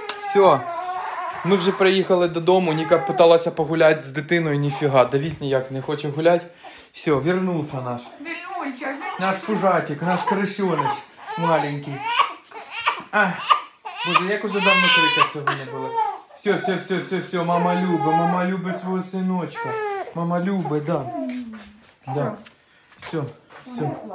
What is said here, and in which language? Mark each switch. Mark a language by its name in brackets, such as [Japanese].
[Ukrainian] Все, мы вже приїхали додому, Ніка пыталась погулять с дитиною, ніфіга, Давид ніяк не хочет гулять. [Russian] Все, вернулся наш. Вернулся. Наш пужатик, наш крысёныш маленький. [Ukrainian] А, боже, як уже давно крика цього не було. Все, все, все, все, все, мама любе свого синочка. Мама любе, да. Да. Все, все.